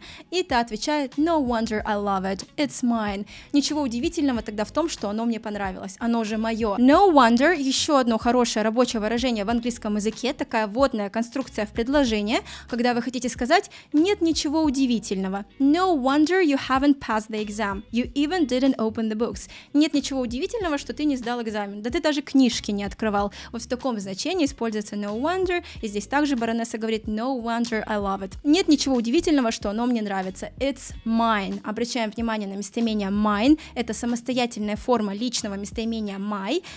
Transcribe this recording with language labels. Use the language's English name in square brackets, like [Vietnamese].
[Russian] И та отвечает, [English] no wonder I love it, it's mine. [Russian] Ничего удивительного тогда в том, что оно мне понравилось, оно же мое. [English] No wonder, [Russian] еще одно хорошее рабочее выражение в английском языке, такая вводная конструкция в предложение, когда вы хотите сказать, нет ничего удивительного. [English] No wonder you haven't passed the exam, you even didn't open the books. [Russian] Нет ничего удивительного, что ты не сдал экзамен, да ты даже книжки не открывал. Вот в таком значении используется no wonder, и здесь также баронесса говорит, [English] no wonder I love it. [Russian] Нет ничего удивительного, что оно мне нравится. [English] It's mine. [Russian] Обращаем внимание на местоимение mine. Это самостоятельная форма личного местоимения my.